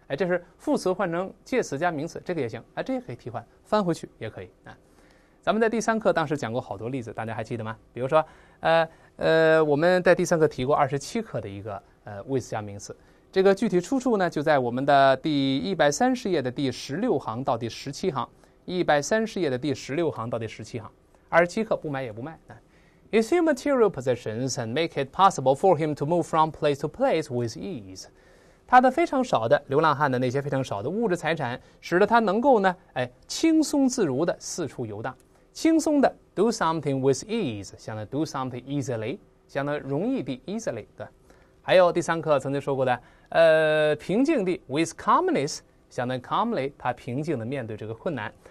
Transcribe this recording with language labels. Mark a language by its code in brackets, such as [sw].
[zh] 这是副词换成介词加名词，这个也行这也可以替换，翻回去也可以咱们在第三课当时讲过好多例子，大家还记得吗？比如说我们在第三课提过二十七课的一个with 加名词。这个具体出处呢，就在我们的第130页的第16行到第17行130页的第16行到第17行27课不买也不卖。 [en] It's his material possessions and make it possible for him to move from place to place with ease. [zh] 他的非常少的流浪汉的那些非常少的物质财产，使得他能够呢轻松自如的四处游荡。轻松的 [en] do something with ease, [zh] 相当于 [en] do something easily, [zh] 相当于容易的 easily, 对。还有第三课曾经说过的平静地 [en] with calmness, [zh] 相当于 calmly, 他平静地面对这个困难。